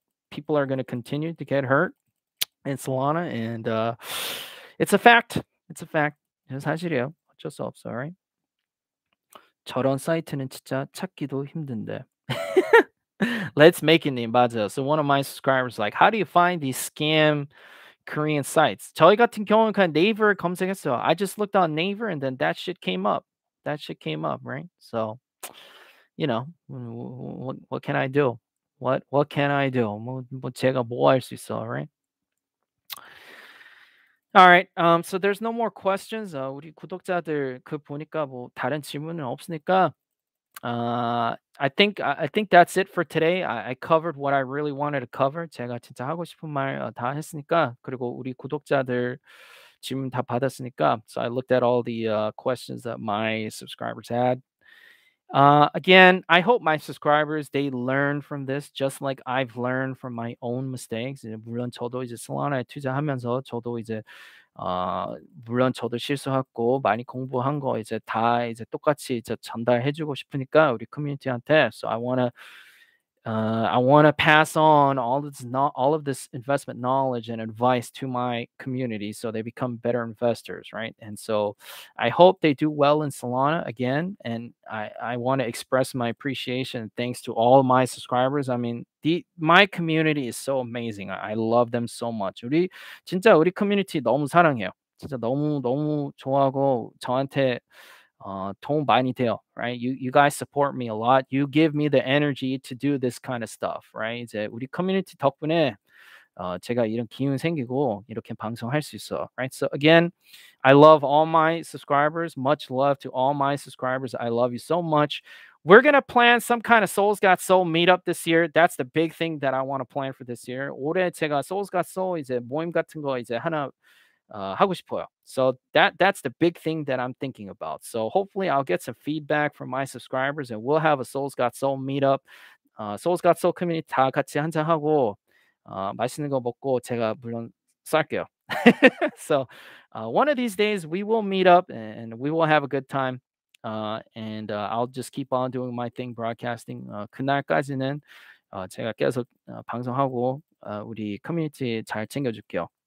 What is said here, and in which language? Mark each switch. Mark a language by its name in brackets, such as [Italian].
[English] People are going to continue to get hurt in Solana, and it's a fact. It's a fact. [Korean] 사실이에요. 어쩔 수 없어. [English] Right? [Korean] 저런 사이트는 진짜 찾기도 힘든데. [English] Let's make it in [Korean] 맞아. [English] So one of my subscribers like, how do you find these scam Korean sites? [Korean] 저희 같은 경우는 네이버 검색했어. [English] I just looked on Naver and then that shit came up. That shit came up, right? So, you know, what can I do? What can I do? [Korean] 뭐 제가 뭐 할 수 있어, right? [English] All right. So there's no more questions. [Korean] 우리 구독자들 그 보니까 뭐 다른 질문은 없으니까. [English] I think that's it for today. I covered what I really wanted to cover. [Korean] 제가 진짜 하고 싶은 말 다 했으니까 그리고 우리 구독자들 질문 다 받았으니까. [English] So I looked at all the questions that my subscribers had. Again, I hope my subscribers, they learn from this just like I've learned from my own mistakes. [Korean] 물론 저도 이제 Solana에 투자하면서 저도 이제 물론 저도 실수했고 많이 공부한 거 이제 다 이제 똑같이 이제 전달해 주고 싶으니까 우리 커뮤니티한테 [English] so I want to pass on all of this investment knowledge and advice to my community so they become better investors, right? And so I hope they do well in Solana again, and I want to express my appreciation and thanks to all my subscribers. I mean, my community is so amazing. I love them so much. [Korean] 우리 진짜 우리 커뮤니티 너무 사랑해요. 진짜 너무 너무 좋아하고 저한테 도움 많이 돼요, right? [English] You guys support me a lot. You give me the energy to do this kind of stuff, right? [Korean] 이제 우리 커뮤니티 덕분에 제가 이런 기운 생기고 이렇게 방송할 수 있어, right? [English] So again, I love all my subscribers. Much love to all my subscribers. I love you so much. We're going to plan some kind of Souls Got Soul meetup this year. That's the big thing that I want to plan for this year. [Korean] 올해 제가 Souls Got Soul 이제 모임 같은 거 이제 하나 하고 싶어요. [English] So that's the big thing that I'm thinking about. So hopefully I'll get some feedback from my subscribers and we'll have a Souls Got Soul meetup. [Korean] Souls Got Soul community 다 같이 한잔하고 맛있는 거 먹고 제가 물론 쌀게요. [English] So one of these days we will meet up and we will have a good time. I'll just keep on doing my thing broadcasting. [Korean] 그날까지는 제가 계속 방송하고 우리 커뮤니티 잘 챙겨줄게요.